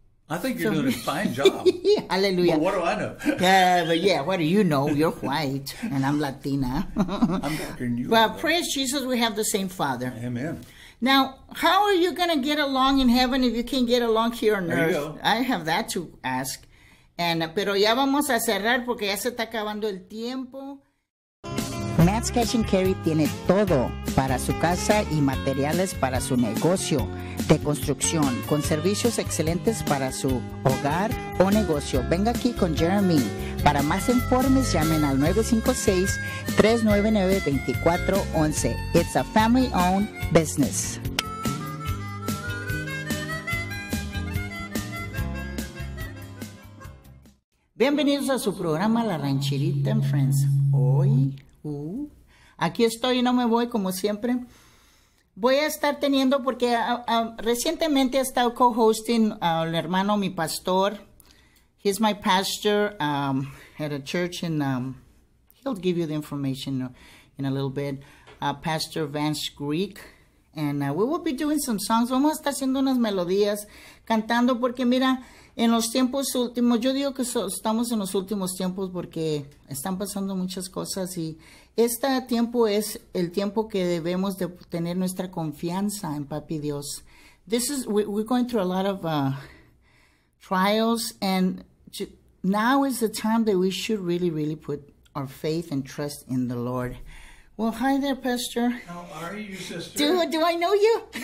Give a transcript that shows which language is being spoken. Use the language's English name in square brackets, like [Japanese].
[English] I think you're doing a fine job. Hallelujah. But what do I know? What do you know? You're white and I'm Latina. I'm talking you. Well, praise Jesus, we have the same Father. Amen. Now, how are you going to get along in heaven if you can't get along here on there earth? You go. I have that to ask. [Spanish] Pero ya vamos a cerrar porque ya se está acabando el tiempo. Matt's Cash and Carry tiene todo para su casa y materiales para su negocio de construcción, con servicios excelentes para su hogar o negocio. Venga aquí con Jeremy. Para más informes, llamen al 956-399-2411. [English] It's a family-owned business. [Spanish] Bienvenidos a su programa La Rancherita and Friends. Hoy, aquí estoy y no me voy como siempre. Voy a estar teniendo, porque recientemente he estado co-hosting al hermano, mi pastor. [English] He's my pastor at a church in, he'll give you the information in a little bit, Pastor Vance Greek. And we will be doing some songs. [Spanish] Vamos a estar haciendo unas melodías, cantando, porque mira, en los tiempos últimos, yo digo que estamos en los últimos tiempos porque están pasando muchas cosas y este tiempo es el tiempo que debemos de tener nuestra confianza en Papi Dios. [English] This is, we're going through a lot of trials, and now is the time that we should really, really put our faith and trust in the Lord. Well, hi there, Pastor. How are you, sister? Do I know you?